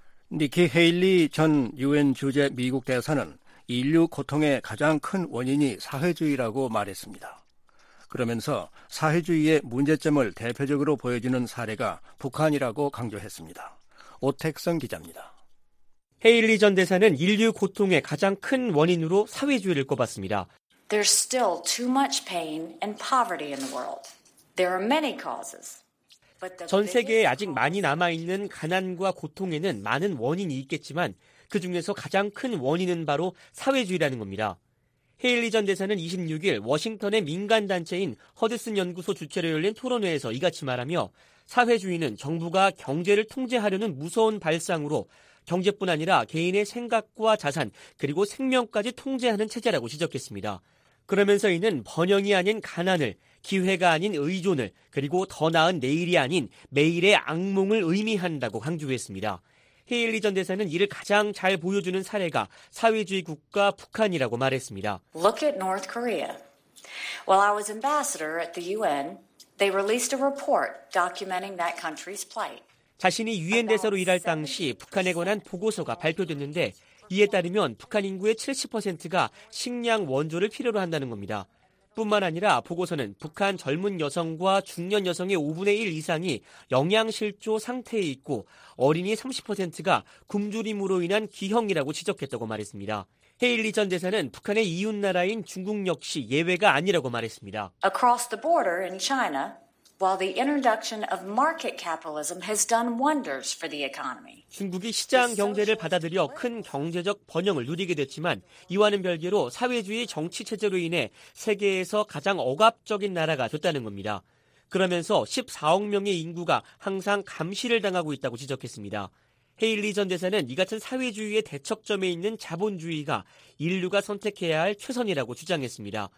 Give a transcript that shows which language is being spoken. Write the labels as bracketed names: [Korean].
[Korean] 니키 헤일리 전 유엔 주재 미국 대사는 인류 고통의 가장 큰 원인이 사회주의라고 말했습니다. 그러면서 사회주의의 문제점을 대표적으로 보여주는 사례가 북한이라고 강조했습니다. 오택성 기자입니다. 헤일리 전 대사는 인류 고통의 가장 큰 원인으로 사회주의를 꼽았습니다. [English] There's still too much pain and poverty in the world. There are many causes. [Korean] 전 세계에 아직 많이 남아있는 가난과 고통에는 많은 원인이 있겠지만 그 중에서 가장 큰 원인은 바로 사회주의라는 겁니다. 헤일리 전 대사는 26일 워싱턴의 민간단체인 허드슨 연구소 주최로 열린 토론회에서 이같이 말하며 사회주의는 정부가 경제를 통제하려는 무서운 발상으로 경제뿐 아니라 개인의 생각과 자산 그리고 생명까지 통제하는 체제라고 지적했습니다. 그러면서 이는 번영이 아닌 가난을, 기회가 아닌 의존을, 그리고 더 나은 내일이 아닌 매일의 악몽을 의미한다고 강조했습니다. 헤일리 전 대사는 이를 가장 잘 보여주는 사례가 사회주의 국가 북한이라고 말했습니다. [English] Look at North Korea. While I was ambassador at the UN, they released a report documenting that country's plight. [Korean] 자신이 유엔 대사로 일할 당시 북한에 관한 보고서가 발표됐는데 이에 따르면 북한 인구의 70%가 식량 원조를 필요로 한다는 겁니다. 뿐만 아니라 보고서는 북한 젊은 여성과 중년 여성의 5분의 1 이상이 영양실조 상태에 있고 어린이 30%가 굶주림으로 인한 기형이라고 지적했다고 말했습니다. 헤일리 전 대사는 북한의 이웃나라인 중국 역시 예외가 아니라고 말했습니다. [English] Across the border in China, while the introduction of market capitalism has done wonders for the economy. [Korean] 중국이 시장 경제를 받아들여 큰 경제적 번영을 누리게 됐지만 이와는 별개로 사회주의 정치 체제로 인해 세계에서 가장 억압적인 나라가 됐다는 겁니다. 그러면서 14억 명의 인구가 항상 감시를 당하고 있다고 지적했습니다. 헤일리 전 대사는 이 같은 사회주의의 대척점에 있는 자본주의가 인류가 선택해야 할 최선이라고 주장했습니다.